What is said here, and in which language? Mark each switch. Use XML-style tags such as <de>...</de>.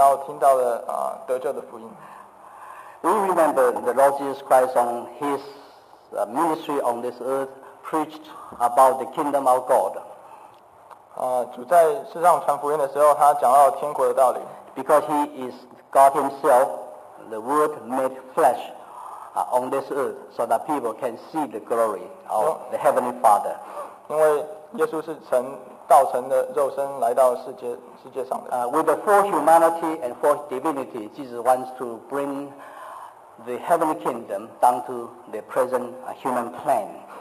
<zh>现在我们要来说的就是你要听到的得救的福音。</zh> <en>We remember the Lord Jesus Christ on His ministry on this earth preached about the kingdom of God.</en> <zh>主在世上传福音的时候，他讲到天国的道理。</zh> <en>Because He is God Himself, the Word made flesh on this earth so that people can see the glory of the Heavenly Father.</en> <zh>因为耶稣是神。</zh> <en>With the full humanity and full divinity, Jesus wants to bring the heavenly kingdom down to the present human plane.</en>